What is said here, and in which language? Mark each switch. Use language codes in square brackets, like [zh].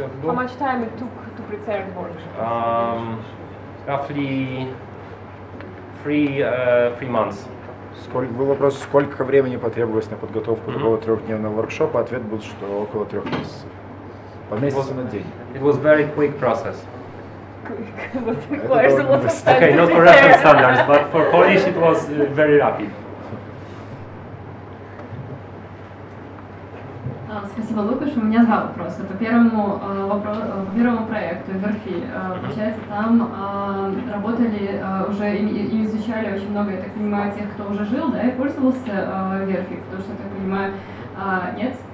[en] How much time it took to prepare the workshop? Roughly... Three months. [ru] Сколько был вопрос, сколько времени потребовалось на подготовку такого трехдневного воркшопа? Ответ был, что около трех месяцев. По месяцу на день. [en] It was very quick process. Quick. It requires a lot of time. Okay, not for Russian standards, but for Polish it was very rapid. [ru] спасибо, Лукаш. У меня два вопроса. По первому проекту, Верфи, получается, там работали уже и изучали очень много, я так понимаю, тех, кто уже жил, да, и пользовался Верфи, потому что, я так понимаю, нет?